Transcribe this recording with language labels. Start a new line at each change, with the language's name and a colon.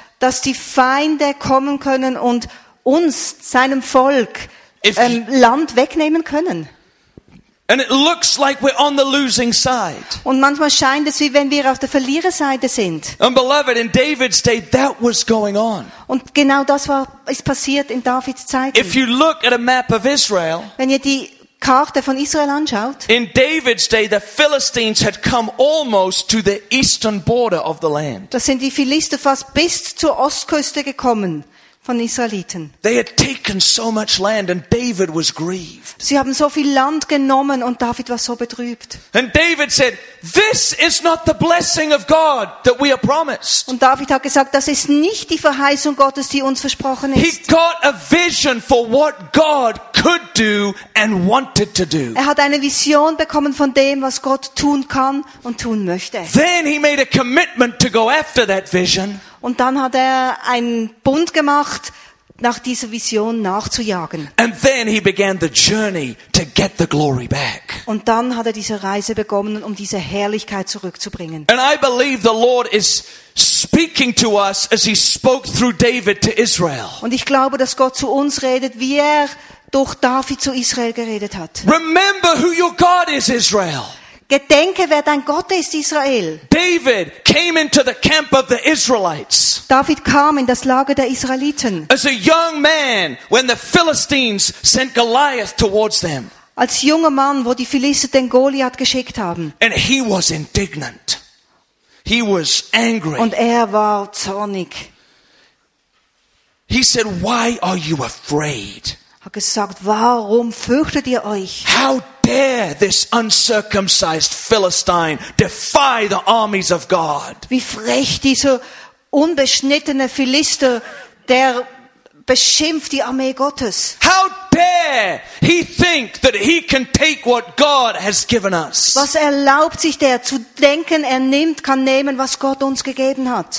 German: Dass die Feinde kommen können und uns, seinem Volk, Land wegnehmen können.
English: And it looks like we're on the losing side.
German: Und manchmal scheint es, wie wenn wir auf der Verliererseite sind.
English: And beloved, in David's day, that was going on.
German: Und genau das war, ist passiert in Davids Zeiten.
English: If you look at a map of Israel,
German: wenn ihr die Karte von Israel anschaut,
English: in David's day, the Philistines had come almost to the eastern border of the land.
German: Da sind die Philister fast bis zur Ostküste gekommen. Von Israeliten.
English: They had taken so much land and David was grieved.
German: Sie haben so viel Land genommen und David war so betrübt.
English: And David said, "This is not the blessing of God that we are promised."
German: Und David hat gesagt, das ist nicht die Verheißung Gottes, die uns versprochen ist.
English: He got a vision for what God could do and wanted to do.
German: Er hat eine Vision bekommen von dem, was Gott tun kann und tun möchte.
English: Then he made a commitment to go after that vision.
German: Und dann hat er einen Bund gemacht, nach dieser Vision nachzujagen.
English: And then he began the journey to get the glory back.
German: Und dann hat er diese Reise begonnen, um diese Herrlichkeit zurückzubringen.
English: And I believe the Lord is speaking to us as he spoke through David to Israel.
German: Und ich glaube, dass Gott zu uns redet, wie er durch David zu Israel geredet hat.
English: Remember who your God is, Israel.
German: Gedenke, wer dein Gott ist, Israel.
English: David came into the camp of the Israelites.
German: David kam in das Lager der Israeliten.
English: As a young man, when the Philistines sent Goliath towards them.
German: Als junger Mann, wo die Philister den Goliath geschickt haben.
English: And he was indignant. He was angry.
German: Und er war zornig.
English: He said, "Why are you afraid?"
German: Hat gesagt, warum fürchtet ihr euch?
English: How dare this uncircumcised Philistine defy the armies of God?
German: Wie frech dieser unbeschnittene Philister, der beschimpft die Armee Gottes.
English: How dare he think that he can take what God has given us?
German: Was erlaubt sich der zu denken, er nimmt, kann nehmen, was Gott uns gegeben hat?